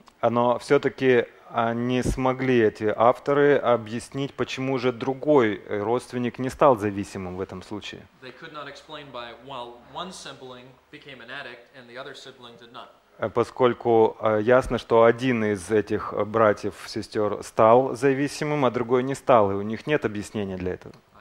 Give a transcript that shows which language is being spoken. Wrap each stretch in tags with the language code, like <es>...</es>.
<ru>Но все-таки не смогли эти авторы объяснить, почему же другой родственник не стал зависимым в этом случае.</ru> <en>They could not explain by, while one sibling became an addict and the other sibling did not.</en> <ru>Поскольку ясно, что один из этих братьев, сестер стал зависимым, а другой не стал, и у них нет объяснения для этого.</ru>